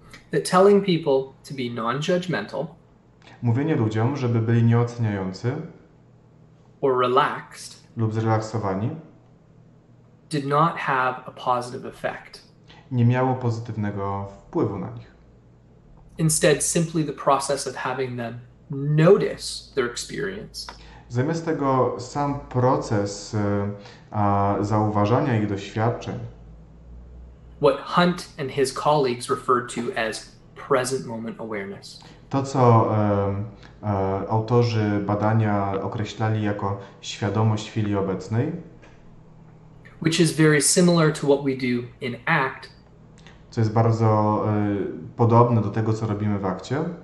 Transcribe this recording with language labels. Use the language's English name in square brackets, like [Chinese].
[English] That telling people to be non-judgmental, [Polish] mówienie ludziom, żeby byli nieoceniający [English] or relaxed, [Polish] lub zrelaksowani, [English] did not have a positive effect. [Polish] Nie miało pozytywnego wpływu na nich. [English] Instead, simply the process of having them notice their experience. [Polish] Zamiast tego sam proces zauważania ich doświadczeń. [English] What Hunt and his colleagues referred to as present moment awareness. [Polish] To, co autorzy badania określali jako świadomość chwili obecnej. [English] Which is very similar to what we do in ACT. [Polish] Co jest bardzo podobne do tego, co robimy w akcie.